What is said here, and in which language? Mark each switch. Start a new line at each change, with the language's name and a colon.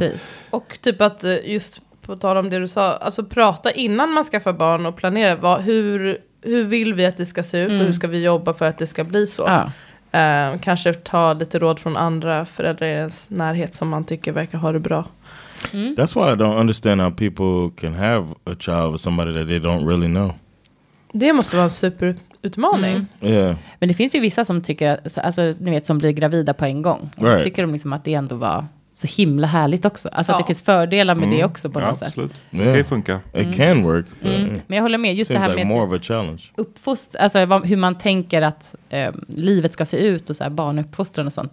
Swedish: Liksom. Och typ att just... På tal om det du sa, alltså prata innan man skaffar barn och planera hur vill vi att det ska se ut och hur ska vi jobba för att det ska bli så. Ja. Kanske ta lite råd från andra föräldrar i ens närhet som man tycker verkar ha det bra. Mm.
English: That's why I don't understand how people can have a child with somebody that they don't really know.
Swedish: Det måste vara super... utmaning. Mm.
English: Yeah.
Swedish: Men det finns ju vissa som tycker, alltså ni vet, som blir gravida på en gång. Och
English: right.
Swedish: Så tycker de liksom att det ändå var så himla härligt också. Alltså att det finns fördelar med det också på något absolut. Sätt.
English: Yeah.
Swedish: Det kan funka.
English: It can work. Mm.
Swedish: Men jag håller med, just det här
English: like
Swedish: med uppfostran, alltså hur man tänker att livet ska se ut och så här, barnuppfostran och sånt.